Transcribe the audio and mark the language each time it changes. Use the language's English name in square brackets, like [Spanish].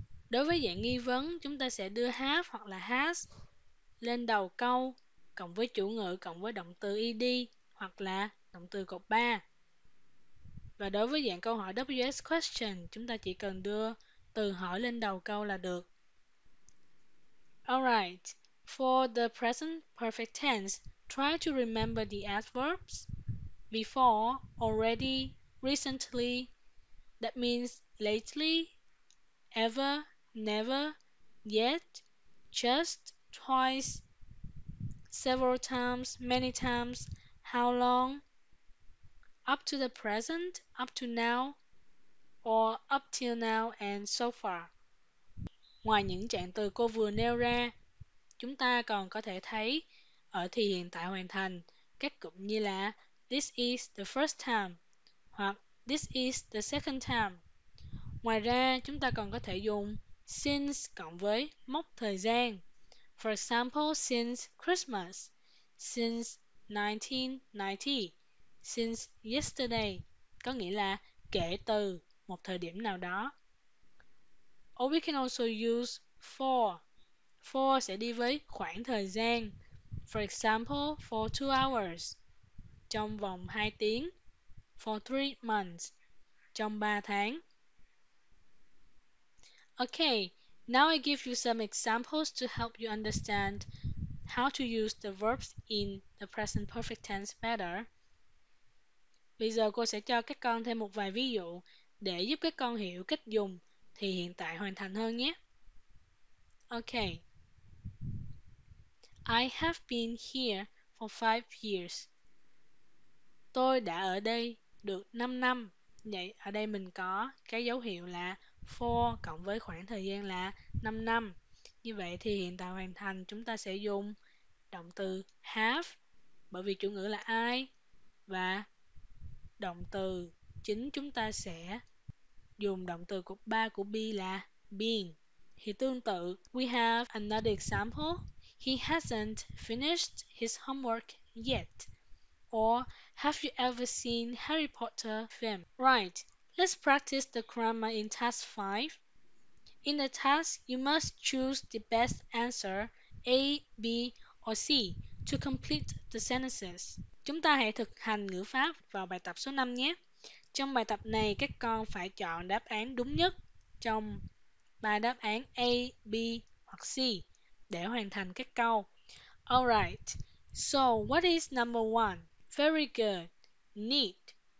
[Vietnamese] Đối với dạng nghi vấn, chúng ta sẽ đưa have hoặc là has lên đầu câu cộng với chủ ngữ cộng với động từ ed hoặc là động từ cột 3. Và đối với dạng câu hỏi WS question, chúng ta chỉ cần đưa từ hỏi lên đầu câu là được. [English] Alright, for the present perfect tense, try to remember the adverbs before, already, recently, that means lately, ever, never, yet, just, twice, several times, many times, how long, up to the present, up to now, or up till now and so far. [Vietnamese] Ngoài những trạng từ cô vừa nêu ra, chúng ta còn có thể thấy ở thì hiện tại hoàn thành các cụm như là [English] this is the first time [Vietnamese] hoặc [English] this is the second time. [Vietnamese] Ngoài ra, chúng ta còn có thể dùng since cộng với mốc thời gian. [English] For example, since Christmas, since 1990, since yesterday, [Vietnamese] có nghĩa là kể từ một thời điểm nào đó. [English] Or we can also use for. For [Vietnamese] sẽ đi với khoảng thời gian. [English] For example, for 2 hours, [Vietnamese] trong vòng 2 tiếng. [English] For 3 months, [Vietnamese] trong 3 tháng. [English] Okay, now I give you some examples to help you understand how to use the verbs in the present perfect tense better. [Vietnamese] Bây giờ cô sẽ cho các con thêm một vài ví dụ để giúp các con hiểu cách dùng thì hiện tại hoàn thành hơn nhé. Okay. [English] I have been here for 5 years. [Vietnamese] Tôi đã ở đây được 5 năm. Vậy ở đây mình có cái dấu hiệu là for cộng với khoảng thời gian là 5 năm. Như vậy thì hiện tại hoàn thành chúng ta sẽ dùng động từ have bởi vì chủ ngữ là I và động từ chính chúng ta sẽ dùng động từ cột 3 của be là been. Thì tương tự, [English] we have another example. He hasn't finished his homework yet. Or, have you ever seen Harry Potter film? Right, let's practice the grammar in task 5. In the task, you must choose the best answer A, B or C to complete the sentences. [Vietnamese] Chúng ta hãy thực hành ngữ pháp vào bài tập số 5 nhé. Trong bài tập này, các con phải chọn đáp án đúng nhất trong ba đáp án A, B hoặc C để hoàn thành các câu. [English] Alright, so what is number 1? Very good. Neat.